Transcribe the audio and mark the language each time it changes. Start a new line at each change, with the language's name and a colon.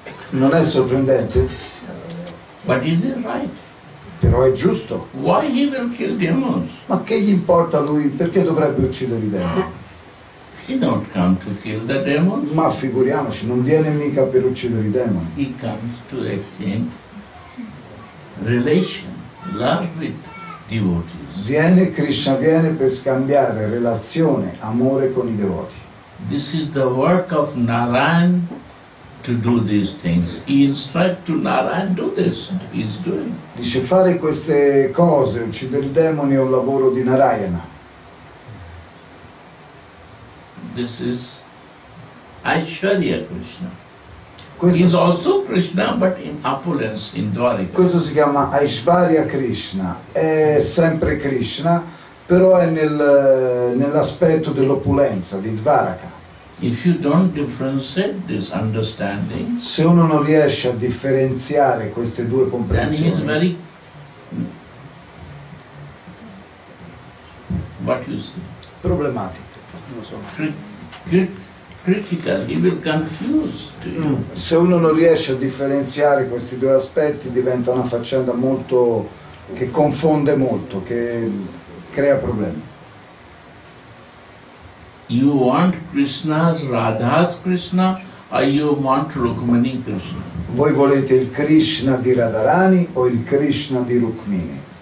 Italian: Non è sorprendente.
English: But is it right?
Italian: Però è giusto.
English: Why he will kill demons?
Italian: Ma che gli importa a lui? Perché dovrebbe uccidere i demoni?
English: He not come to kill the demons.
Italian: Ma figuriamoci, non viene mica per uccidere i demoni.
English: He comes to exchange relation, love with devotees.
Italian: Viene, Krishna viene per scambiare relazione, amore con i devoti.
English: This is the work of Narayan to do these things. He instructs to Narayan do this. He's doing.
Italian: Dice fare queste cose, uccidere i demoni è un lavoro di Narayana.
English: This is Aishwarya Krishna. He's also Krishna, but in opulence, in Dwarika.
Italian: Questo si chiama Aishwarya Krishna. È sempre Krishna, però è nell'aspetto dell'opulenza di Dwarika.
English: If you don't differentiate this understanding,
Italian: se uno non riesce a differenziare queste due comprensioni,
English: then he is very. What you say?
Italian: Problematico.
English: Critical, he will confuse to you.
Italian: Se uno non riesce a differenziare questi due aspetti diventa una faccenda molto che confonde molto, che crea problemi.
English: You want Krishna's Radha's Krishna or you want Rukmini Krishna?
Italian: Voi volete il Krishna di Radharani o il Krishna di Rukmini?